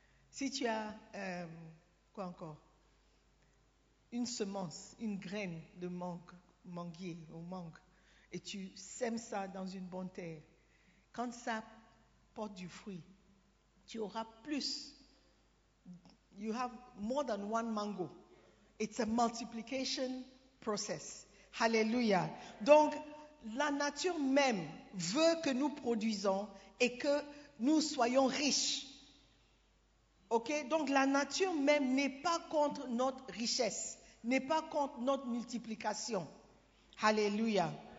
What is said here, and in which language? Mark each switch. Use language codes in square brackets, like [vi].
[fr] Si tu as, quoi encore, une semence, une graine de mangue, manguier ou mangue, et tu sèmes ça dans une bonne terre, quand ça porte du fruit, tu auras plus. [en] You have more than one mango. It's a multiplication process. Hallelujah. [fr] Donc, la nature même veut que nous produisons et que nous soyons riches. Ok, donc la nature même n'est pas contre notre richesse, n'est pas contre notre multiplication. Alléluia.